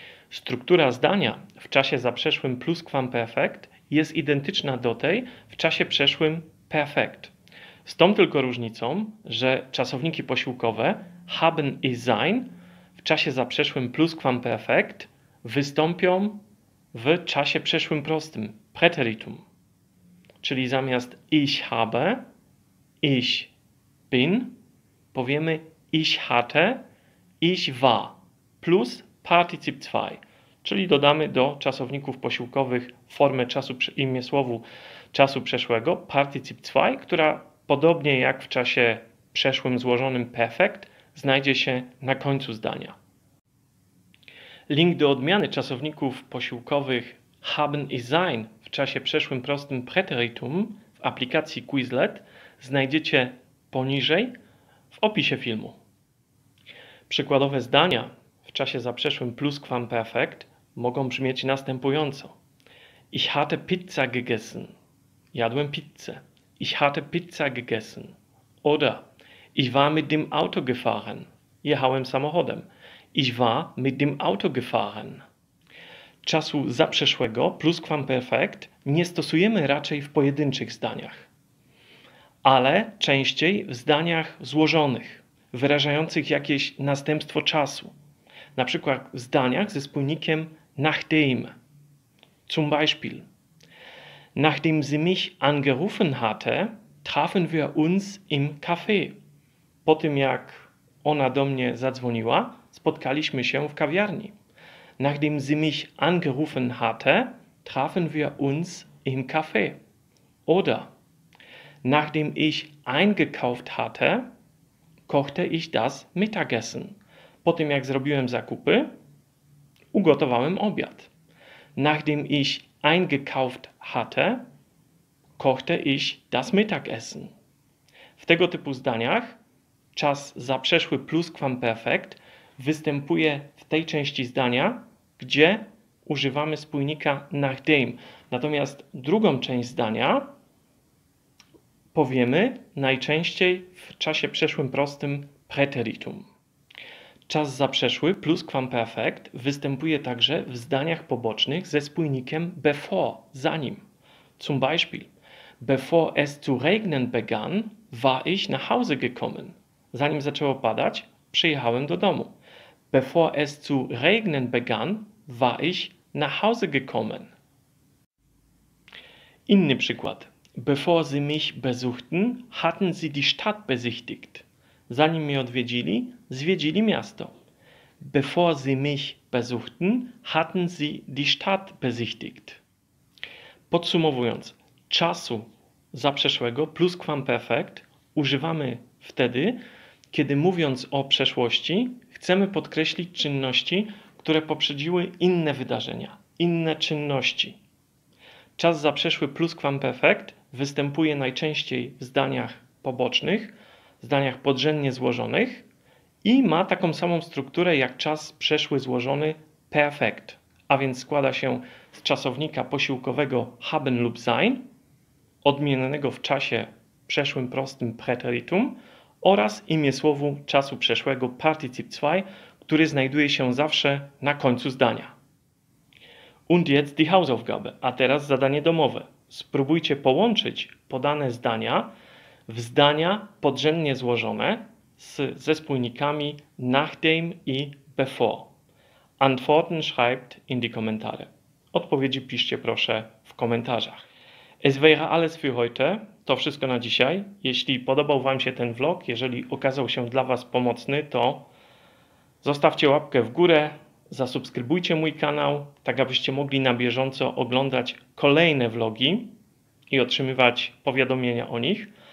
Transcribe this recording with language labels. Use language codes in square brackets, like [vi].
[pl] Struktura zdania w czasie zaprzeszłym pluskwamperfekt jest identyczna do tej w czasie przeszłym perfekt. Z tą tylko różnicą, że czasowniki posiłkowe haben i sein w czasie zaprzeszłym pluskwamperfekt wystąpią w czasie przeszłym prostym, preteritum. Czyli zamiast [de] ich habe, ich bin, [pl] powiemy [de] ich hatte, ich war [pl] plus particip 2. Czyli dodamy do czasowników posiłkowych formę czasu imię słowu czasu przeszłego particip 2, która podobnie jak w czasie przeszłym złożonym perfekt, znajdzie się na końcu zdania. Link do odmiany czasowników posiłkowych haben i sein w czasie przeszłym prostym preteritum w aplikacji Quizlet znajdziecie poniżej w opisie filmu. Przykładowe zdania w czasie zaprzeszłym pluskwamperfekt mogą brzmieć następująco. [de] Ich hatte Pizza gegessen. [pl] Jadłem pizzę. [de] Ich hatte Pizza gegessen. Oder ich war mit dem Auto gefahren. [pl] Jechałem samochodem. [de] Ich war mit dem Auto gefahren. [pl] Czasu zaprzeszłego pluskwamperfekt nie stosujemy raczej w pojedynczych zdaniach, ale częściej w zdaniach złożonych, wyrażających jakieś następstwo czasu. Na przykład w zdaniach ze spójnikiem nachdem. [de] Zum Beispiel. Nachdem sie mich angerufen hatte, trafen wir uns im Café. [pl] Po tym jak ona do mnie zadzwoniła, spotkaliśmy się w kawiarni. [de] Nachdem sie mich angerufen hatte, trafen wir uns im Café. Oder nachdem ich eingekauft hatte, kochte ich das Mittagessen. [pl] Po tym jak zrobiłem zakupy, ugotowałem obiad. [de] Nachdem ich eingekauft hatte, kochte ich das Mittagessen. [pl] W tego typu zdaniach czas zaprzeszły pluskwamperfekt występuje w tej części zdania, gdzie używamy spójnika nachdem. Natomiast drugą część zdania powiemy najczęściej w czasie przeszłym prostym preteritum. Czas zaprzeszły pluskwamperfekt występuje także w zdaniach pobocznych ze spójnikiem before, zanim. [de] Zum Beispiel, bevor es zu regnen begann, war ich nach Hause gekommen. [pl] Zanim zaczęło padać, przyjechałem do domu. [de] Bevor es zu regnen begann, war ich nach Hause gekommen. [pl] Inny przykład. [de] Bevor sie mich besuchten, hatten sie die Stadt besichtigt. [pl] Zanim mnie odwiedzili, zwiedzili miasto. [de] Bevor sie mich besuchten, hatten sie die Stadt besichtigt. [pl] Podsumowując, czasu zaprzeszłego pluskwamperfekt używamy wtedy, kiedy mówiąc o przeszłości, chcemy podkreślić czynności, które poprzedziły inne wydarzenia, inne czynności. Czas zaprzeszły pluskwamperfekt występuje najczęściej w zdaniach pobocznych, zdaniach podrzędnie złożonych i ma taką samą strukturę jak czas przeszły złożony perfekt, a więc składa się z czasownika posiłkowego haben lub sein, odmiennego w czasie przeszłym prostym preteritum oraz imię słowu czasu przeszłego particip 2, który znajduje się zawsze na końcu zdania. [de] Und jetzt die Hausaufgabe, [pl] a teraz zadanie domowe. Spróbujcie połączyć podane zdania w zdania podrzędnie złożone ze spójnikami nachdem i before. [de] Antworten schreibt in die Kommentare. [pl] Odpowiedzi piszcie proszę w komentarzach. [de] Es wäre alles für heute. [pl] To wszystko na dzisiaj. Jeśli podobał Wam się ten vlog, jeżeli okazał się dla Was pomocny, to zostawcie łapkę w górę, zasubskrybujcie mój kanał, tak abyście mogli na bieżąco oglądać kolejne vlogi i otrzymywać powiadomienia o nich.